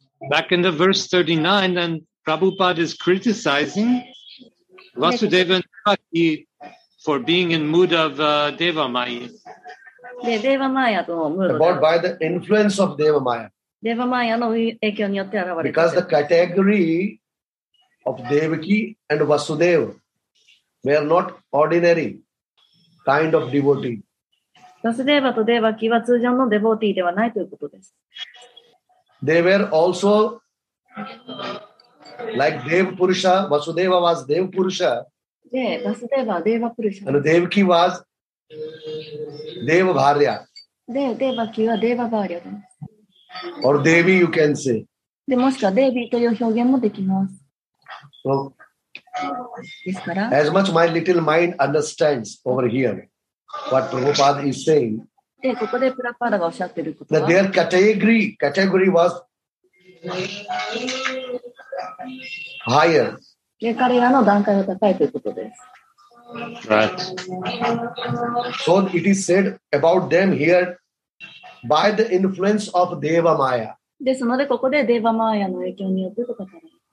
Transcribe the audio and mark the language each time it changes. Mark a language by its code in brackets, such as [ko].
[en] Back in the verse 39, then Prabhupada is criticizing Vasudeva and Devaki for being in mood of Devamaya. But by the influence of Devamaya. [ja] Devamaya の影響によって現れている。 [en] Because the category of Devaki and Vasudeva were not ordinary kind of devotee. [ja] バスデーバとデーバキは通常のデボーティーではないということです。 [en] They were also like Dev Purusha. Vasudeva was Dev Purusha. [ja] で、バスデーバはデーバプルシャ。 [en] And Devaki was Dev Bharya. [ja] で、デーバキはデーバ Bharya です [en] 。 Or Devi you can say. [ja] で、もしくはデービーという表現もできます。 [en] So, [ja] ですから、 [en] as much my little mind understands over here. What Prabhupada is saying. [ja] で、ここでプラパーダがおっしゃってることは、 [en] their category was higher. [ja] で、彼らの段階が高いということです。 [en] Right. So it is said about them here by the influence of Deva Maya. [ja] ですので、ここでデーバマーヤの影響によってと語られます。